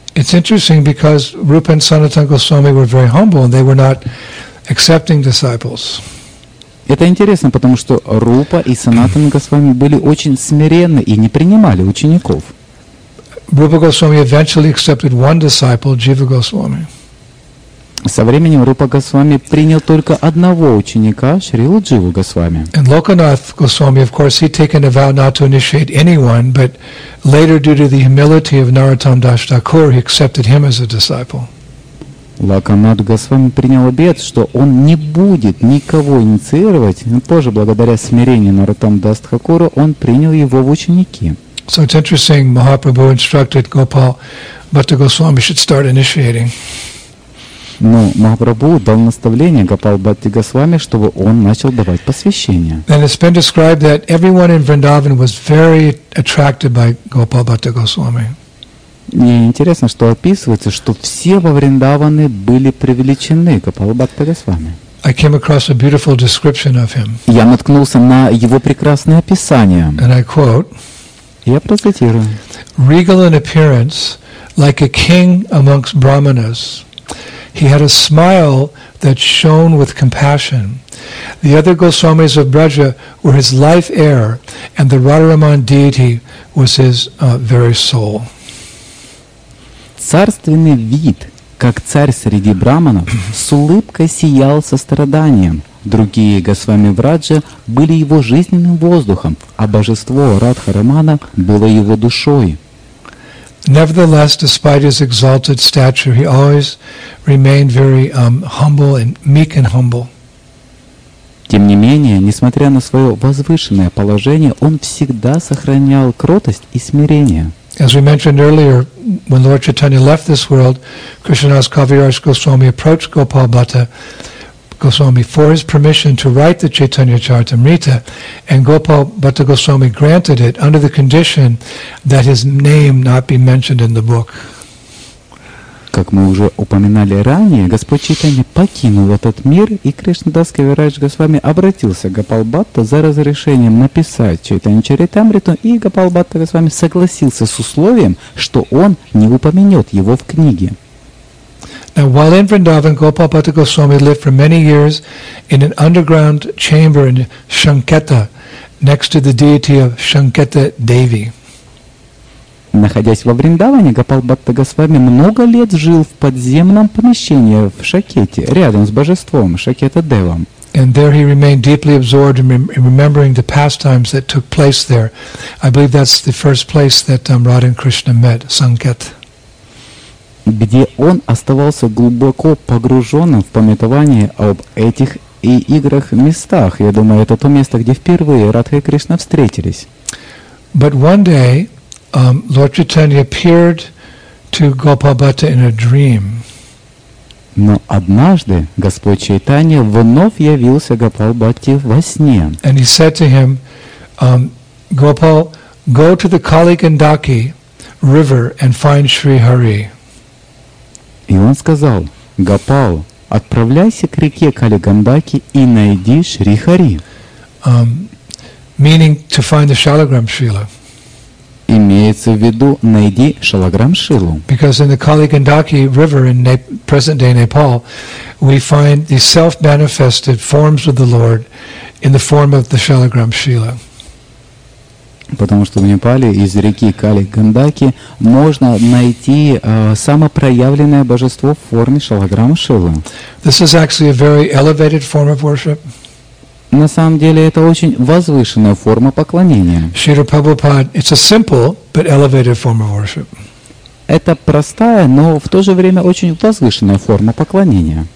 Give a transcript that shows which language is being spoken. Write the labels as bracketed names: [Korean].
[English] It's interesting because Rupa and Sanatana Goswami were very humble and they were not accepting disciples. [Russian] Это интересно, потому что Рупа и Санатана Госвами были очень смиренны и не принимали учеников. [English] Rupa Goswami eventually accepted one disciple, Jiva Goswami. [Russian] Со временем Рупа Госвами принял только одного ученика, Шрилу Дживу Госвами. [English] And Lokanath Goswami, of course, he'd taken a vow not to initiate anyone, but later, due to the humility of Narottam Das Thakur, he accepted him as a disciple. [Russian] Локанат Госвами принял обет, что он не будет никого инициировать, но позже, благодаря смирению Нарутам Дас Тхакура, он принял его в ученики. [English] So it's interesting, Mahaprabhu instructed Gopal Bhatta Goswami should start initiating. [Russian] Но Махапрабху дал наставление Гопал Бхатте Госвами, чтобы он начал давать посвящение. [English] And it's been described that everyone in Vrindavan was very attracted by Gopal Bhatta Goswami. [Russian] Мне интересно, что описывается, что все во Вриндаване были привлечены Гопал Бхатта Госвами. [English] I came across a beautiful description of him. [Russian] Я наткнулся на его прекрасное описание. [English] And I quote, [Russian] я процитирую. [English] Regal in appearance, like a king amongst brahmanas, he had a smile that shone with compassion. The other Goswamis of Braja were his life air, and the Radharaman deity was his very soul. [Russian] Царственный вид, как царь среди браманов, с улыбкой сиял состраданием. Другие Госвами Враджа были его жизненным воздухом, а божество Радхарамана было его душой. [English] Nevertheless, despite his exalted stature, he always remained very humble and meek and humble. [Russian] Тем не менее, несмотря на свое возвышенное положение, он всегда сохранял кротость и смирение. [English] As we mentioned earlier, when Lord Chaitanya left this world, Krishnadas Kaviraj Goswami approached Gopal Bhatta Goswami for his permission to write the Chaitanya Charitamrita, and Gopal Bhatta Goswami granted it under the condition that his name not be mentioned in the book. [Russian] Как мы уже упоминали ранее, Господь Чайтанья покинул этот мир, и Кришнадас Кавирадж Госвами обратился к Гопал Бхатта за разрешением написать Чайтанья Чаритамриту, и Гопал Бхатта Госвами согласился с условием, что он не упомянет его в книге. [English] Now, while in Vrindavan, Gopal Bhatta Goswami lived for many years in an underground chamber in Shanketa, next to the deity of Shanketa Devi. [Russian] Находясь во Вриндаване, Гопал Бхатта Госвами много лет жил в подземном помещении в Шакете, рядом с божеством Шакета Девом. [English] And there he remained deeply absorbed in remembering the pastimes that took place there. I believe that's the first place that Radha and Krishna met, Sanket. [Russian] Где он оставался глубоко погруженным в памятование об этих и играх местах. Я думаю, это то место, где впервые Радха и Кришна встретились. [English] But one day, Lord Chaitanya appeared to Gopal Bhatta in a dream. [Russian] Но однажды Господь Чайтанья вновь явился Гопал Бхатте во сне. [English] And he said to him, Gopal, go to the Kali Gandaki river and find Sri Hari. [Russian] И он сказал, Гопал, отправляйся к реке Кали Гандаки и найди Шри Хари. [English] Meaning to find the Shalagram Shila. [Russian] Имеется в виду, найди Шалаграм Шилу. [English] Because in the Kali Gandaki river in present-day Nepal, we find the self-manifested forms of the Lord in the form of the Shalagram Shila. [Russian] Потому что в Непале из реки Кали-Гандаки можно найти самопроявленное божество в форме Шалаграма Шилы. [English] This is actually a very elevated form of worship. [Russian] На самом деле это очень возвышенная форма поклонения. [English] Шрила Прабхупада, it's a simple, but elevated form of worship. [Russian] Это простая, но в то же время очень возвышенная форма поклонения.